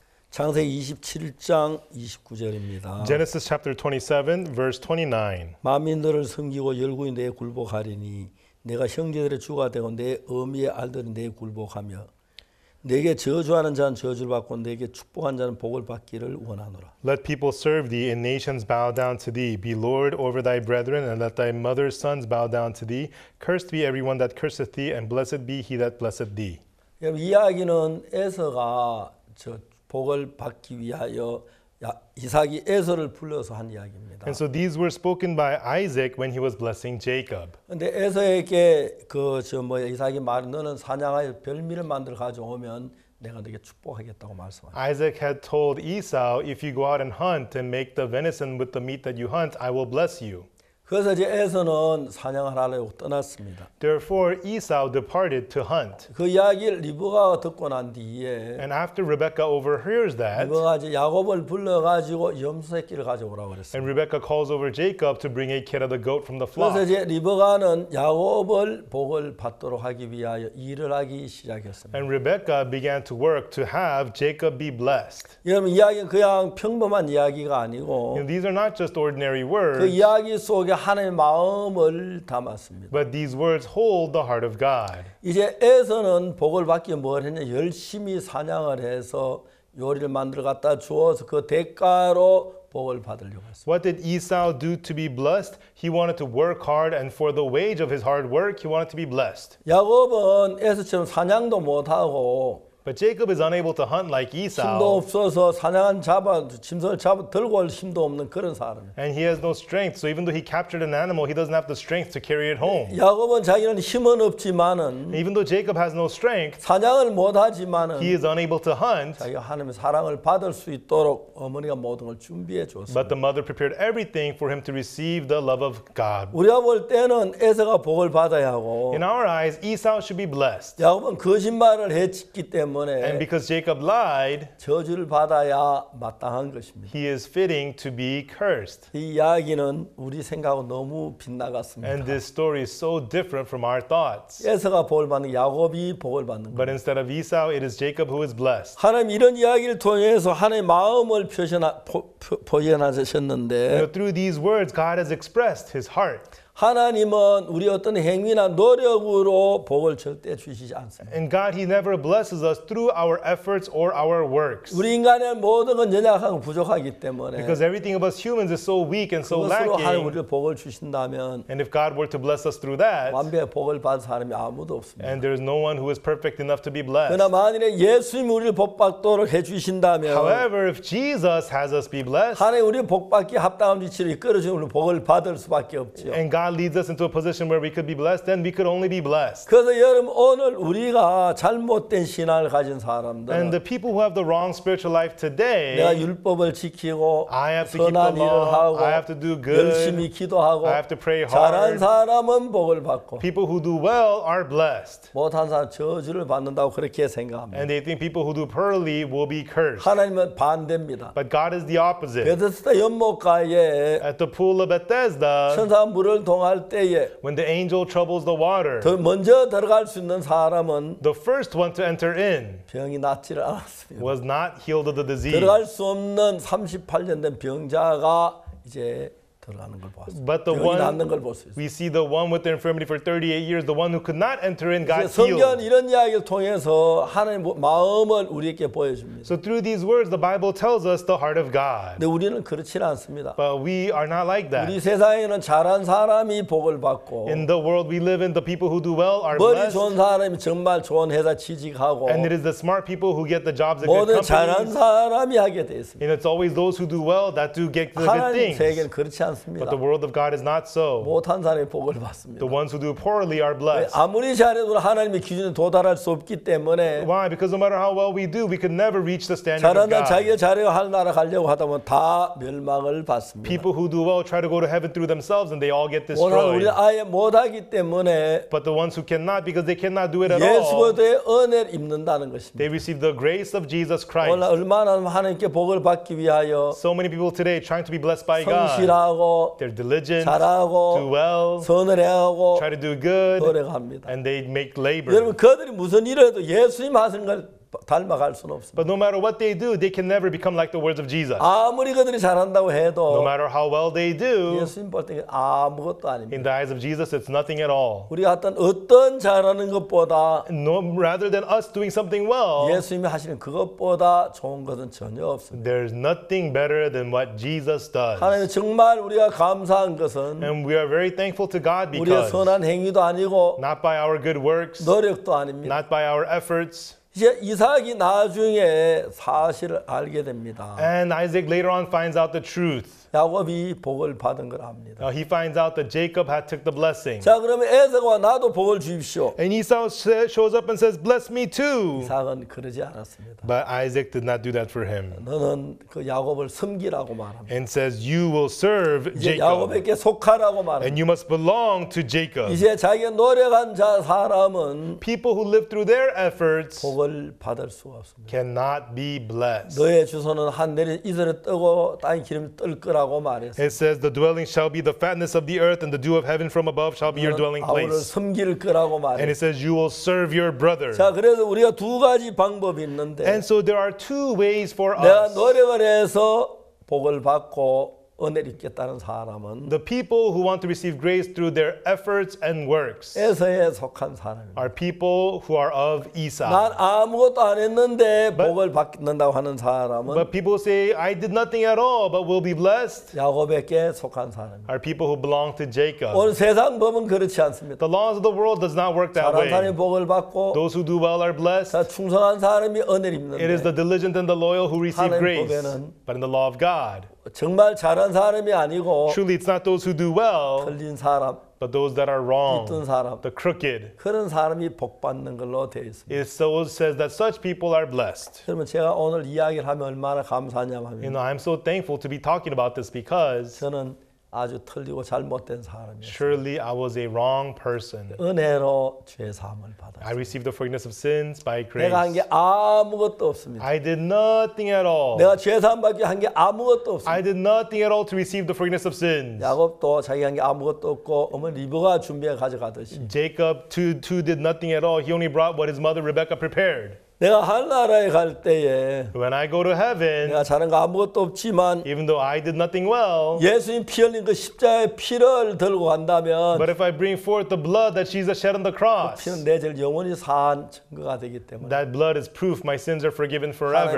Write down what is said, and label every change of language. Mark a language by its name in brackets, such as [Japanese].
[Korean] 창세기 27장 29절입니다. [English] Genesis chapter 27 verse 29. [Korean] 만민들을 섬기고 열국이 내 굴복하리니 내가 형제들의 주가 되고 내 어미의 아들이 내 굴복하며 내게 저주하는 자는 저주를 받고 내게 축복한 자는 복을 받기를 원하노라. [English] Let people serve thee and nations bow down to thee. Be lord over thy brethren and let thy mother's sons bow down to thee. Cursed be everyone that curseth thee and blessed be he that blesseth thee. [Korean] 이야기는 에서가 저 복을 받기 위하여 이삭이 에서를 불러서 한 이야기입니다. [English] And so these were spoken by Isaac when he was blessing Jacob. [Korean] 근데 에서에게 그 저 뭐 이삭이 말 너는 사냥하여 별미를 만들어 가져오면 내가 너에게 축복하겠다고 말씀하셨다. [English] Isaac had told Esau if you go out and hunt and make the venison with the meat that you hunt I will bless you. [Korean] 그래서 이제 에서는 사냥을 하려고 떠났습니다. [English] Therefore, Esau departed to hunt. [Korean] 그 이야기를 리브가가 듣고 난 뒤에 [English] And after Rebecca overhears that, [Korean] 리브가 이제 야곱을 불러가지고 염소새끼를 가져오라고 그랬습니다. [English] And Rebecca calls over Jacob to bring a kid of the goat from the flock. [Korean] 그래서 이제 리브가는 야곱을 복을 받도록 하기 위하여 일을 하기 시작했습니다. [English] And Rebecca began to work to have Jacob be blessed. [Korean] 여러분, 이야기는 그냥 평범한 이야기가 아니고 [English] And these are not just ordinary words. [Korean] 그 이야기 속 하나님의 마음을 담았습니다. [English] But these words hold the heart of God. [Korean] 이제 에서는 복을 받기 뭘 했냐 열심히 사냥을 해서 요리를 만들어 갖다 주어서 그 대가로 복을 받으려고 했습니다. [English] What did Esau do to be blessed? He wanted to work hard and for the wage of his hard work he wanted to be blessed. [Korean] 야곱은 에서처럼 사냥도 못 하고 [English] But Jacob is unable to hunt like Esau. [Korean] 힘도 없어서 사냥한 잡아 짐승을 잡아 들고 올 힘도 없는 그런 사람. [English] And he has no strength. So even though he captured an animal, he doesn't have the strength to carry it home. [Korean] 야곱은 자기는 힘은 없지만은. [English] Even though Jacob has no strength, [Korean] 사냥을 못하지만은. [English] He is unable to hunt. [Korean] 자기가 하나님의 사랑을 받을 수 있도록 어머니가 모든 걸 준비해 주었어. [English] But the mother prepared everything for him to receive the love of God. [Korean] 우리가 볼 때는 에서가 복을 받아야 하고. [English] In our eyes, Esau should be blessed. [Korean] 야곱은 거짓말을 했기 때문에. [English] And because Jacob lied, [Korean] 저주를 받아야 마땅한 것입니다. [English] He is fitting to be cursed. [Korean] 이 이야기는 우리 생각하고 너무 빗나갔습니다. [English] And this story is so different from our thoughts. [Korean] 에서가 복을 받는 야곱이 복을 받는 [English] But instead of Esau, it is Jacob who is blessed. [Korean] 하나님 이런 이야기를 통해서 하나님의 마음을 표현하셨는데 [English] Through these words, God has expressed his heart. [Korean] 하나님은 우리 어떤 행위나 노력으로 복을 절대 주시지 않습니다. [English] And God, He never blesses us through our efforts or our works. [Korean] 우리 인간의 모든 건 연약하고 부족하기 때문에. [English] Because everything of us humans is so weak and so lacking. [Korean] 그것으로 하나님 우리 복을 주신다면. [English] And if God were to bless us through that. [Korean] 완벽히 복을 받은 사람이 아무도 없습니다. [English] And there is no one who is perfect enough to be blessed. [Korean] 그러나 만일에 예수님 우리를 복받도록 해주신다면. [English] However, if Jesus has us be blessed. [Korean] 하나님 우리 복받기 합당한 위치로 이끌어주는 우리 복을 받을 수밖에 없죠. [English] And God leads us into a position where we could be blessed, then we could only be blessed. [Korean] 그래서 여러분 오늘 우리가 잘못된 신앙을 가진 사람들, [English] and the people who have the wrong spiritual life today, [Korean] 내가 율법을 지키고 [English] I have to [Korean] 선한 [English] keep the law, [Korean] 일을 하고 [English] I have to do good, [Korean] 열심히 기도하고 [English] I have to pray hard, [Korean] 잘한 사람은 복을 받고, [English] people who do well are blessed. [Korean] 못한 사람 저주를 받는다고 그렇게 생각합니다. [English] And they think people who do poorly will be cursed. [Korean] 하나님은 반대입니다. [English] But God is the opposite. [Korean] 베데스다 연못가에 [English] at the pool of Bethesda, [Korean] 천사 물을 통 [English] When the angel troubles the water, [Korean] 먼저 들어갈 수 있는 사람은 [English] the first one to enter in [Korean] 병이 낫지를 않았습니다. [English] Was not healed of the disease. [Korean] 들어갈 수 없는 38년 된 병자가 이제 들어가는 걸 보았습니다. [English] But the [Korean] 병이 [English] one, [Korean] 낫는 걸 보았습니다. [English] We see the one with the infirmity for 38 years, the one who could not enter in, got healed. [Korean] 성경 이런 이야기를 통해서 하나님 마음을 우리에게 보여줍니다. [English] So through these words, the Bible tells us the heart of God. [Korean] 근데 우리는 그렇지 않습니다. [English] But we are not like that. [Korean] 우리 세상에는 잘한 사람이 복을 받고 [English] In the world we live in, the people who do well are [Korean] 머리 [English] blessed. [Korean] 머리 좋은 사람이 정말 좋은 회사 취직하고 [English] And it is the smart people who get the jobs at good companies. [Korean] 모든 잘한 사람이 하게 되어 있습니다. [English] And it's always those who do well that do get the good things. [Korean] 하나님 세계는 그렇지 않습니다. 않습니다. [English] But the world of God is not so. [Korean] 못한 사람이 복을 받습니다. [English] The ones who do poorly are blessed. [Korean] 아무리 잘해도 하나님의 기준에 도달할 수 없기 때문에. [English] Why? Because no matter how well we do, we could never reach the standard of God. [Korean] 잘한다 자기가 잘해야 할 나라 가려고 하다 보면 다 멸망을 받습니다. [English] People who do well try to go to heaven through themselves, and they all get destroyed. [Korean] 못한 우리 아예 못하기 때문에. [English] But the ones who cannot, because they cannot do it at all. [Korean] 예수의 은혜를 입는다는 것입니다. [English] They receive the grace of Jesus Christ. [Korean] 얼마나 하나님께 복을 받기 위하여. [English] So many people today trying to be blessed by God. [Korean] 성실하고, [English] they're diligent, [Korean] 잘하고, [English] do well, [Korean] 선을 해하고, [English] try to do good, [Korean] 노력합니다. [English] And they make labor. [Korean] 여러분 그들이 무슨 일해도 예수님 하시는 걸 닮아갈 수는 없습니다. [English] But no matter what they do, they can never become like the words of Jesus. [Korean] 아무리 그들이 잘한다고 해도, [English] no matter how well they do, [Korean] 예수님 볼 때 아무것도 아닙니다. [English] In the eyes of Jesus, it's nothing at all. [Korean] 우리가 어떤 잘하는 것보다, [English] no, rather than us doing something well, [Korean] 예수님이 하시는 그것보다 좋은 것은 전혀 없습니다. [English] There's nothing better than what Jesus does. [Korean] 하나님 정말 우리가 감사한 것은, [English] and we are very thankful to God because [Korean] 우리의 선한 행위도 아니고, [English] not by our good works, [Korean] 노력도 아닙니다. [English] Not by our efforts. [Korean] 이제 이삭이 나중에 사실을 알게 됩니다. [English] And Isaac later on finds out the truth. [Korean] 야곱이 복을 받은 걸 압니다. [English] He finds out that Jacob had took the blessing. [Korean] 자, 그러면 에서가 나도 복을 주십시오. [English] And Esau shows up and says, "Bless me too." [Korean] 이삭은 그러지 않았습니다. [English] But Isaac did not do that for him. [Korean] 너는 그 야곱을 섬기라고 말합니다. [English] And says, "You will serve Jacob." [Korean] 야곱에게 속하라고 말합니다. [English] And you must belong to Jacob. [Korean] 이제 자기가 노력한 자 사람은 [English] people who live through their efforts [Korean] 복을 받을 수 없습니다. [English] Cannot be blessed. [Korean] 너의 주소는 하늘에 이슬에 뜨고 땅에 기름 뜰 것. [English] It says, "The dwelling shall be the fatness of the earth, and the dew of heaven from above shall be your dwelling place." And it says, "You will serve your brother." [Korean] 자, 그래서 우리가 두 가지 방법이 있는데. [English] And so there are two ways for us. [Korean] 내가 노력을 해서 복을 받고 은혜를 입겠다는 사람은. [English] The people who want to receive grace through their efforts and works. [Korean] 에서에 속한 사람. [English] Are people who are of Esau. [Korean] 난 아무것도 안 했는데 복을 받는다고 하는 사람은. [English] But people say I did nothing at all, but will be blessed. [Korean] 야곱에게 속한 사람. [English] Are people who belong to Jacob. [Korean] 오늘 세상 법은 그렇지 않습니다. [English] The laws of the world does not work that way. [Korean] 잘한 사람이 복을 받고. [English] Those who do well are blessed. [Korean] 자, 충성한 사람이 은혜를 입는. [English] It is the diligent and the loyal who receive grace. [Korean] 법에는. [English] But in the law of God. [Korean] 정말 잘한 사람이 아니고 [English] Truly it's not those who do well [Korean] 틀린 사람 [English] but those that are wrong [Korean] 뒤뜬 사람 [English] the crooked [Korean] 그런 사람이 복 받는 걸로 되어 있습니다. [English] It so says that such people are blessed. [Korean] 그러면 제가 오늘 이야기를 하면 얼마나 감사하냐면 [English] You know I'm so thankful to be talking about this because [Korean] 저는 아주 틀리고 잘못된 사람이었어요. [English] Surely I was a wrong person. [Korean] 은혜로 죄 사함을 받았어요. [English] I received the forgiveness of sins by grace. [Korean] 내가 한 게 아무것도 없습니다. [English] I did nothing at all. [Korean] 내가 죄 사함 받기 한 게 아무것도 없습니다. [English] I did nothing at all to receive the forgiveness of sins. [Korean] 야곱도 자기 한 게 아무것도 없고 어머니 리브가 준비해 가져가듯이. [English] Jacob too did nothing at all. He only brought what his mother Rebecca prepared. [Korean] 내가 하늘나라에 갈 때에 [English] When I go to heaven, [Korean] 내가 잘한 거 아무것도 없지만 [English] even though I did nothing well, [Korean] 예수님 피 흘린 그 십자가의 피를 들고 간다면 [English] But if I bring forth the blood that Jesus shed on the cross, [Korean] 그 피는 내 죄를 영원히 사한 증거가 되기 때문에 [English] That blood is proof my sins are forgiven forever.